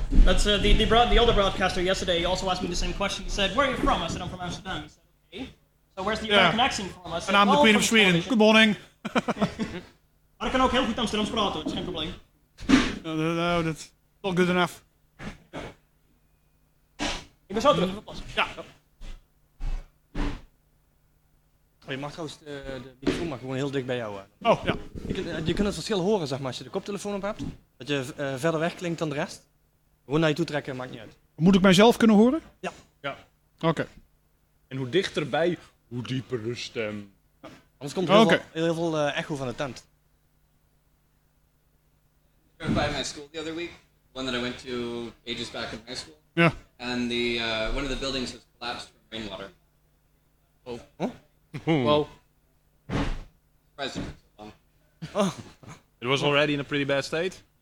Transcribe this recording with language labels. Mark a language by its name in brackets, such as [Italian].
[English] That's the other broadcaster yesterday also asked me the same question. He said, where are you from? I said, I'm from Amsterdam. He said, okay. So where's the American accent from? I said, and I'm the Queen of Sweden. Television. Good morning. But I can [Dutch] ook heel goed Amsterdams praten, [English] it's [Dutch] geen probleem. [English] No, that's not good enough. [Dutch] Ik ben zo terug, even passen. Ja. Oh, je mag trouwens de microfoon maar gewoon heel dicht bij jou. Oh, ja. Je kunt het verschil horen, zeg maar, als je de koptelefoon op hebt. Dat je verder weg klinkt dan de rest. Gewoon naar je toe trekken, maakt niet uit. Moet ik mijzelf kunnen horen? Ja. Ja. Oké. Okay. En hoe dichterbij, hoe dieper de stem. Ja. Anders komt er heel veel echo van de tent. Ik was bij mijn school [English] the other week. One that I went to ages back in high school. [Dutch] Ja. [English] And the one of the buildings has collapsed from rainwater. Oh. Huh? Well, it was already in a pretty bad state.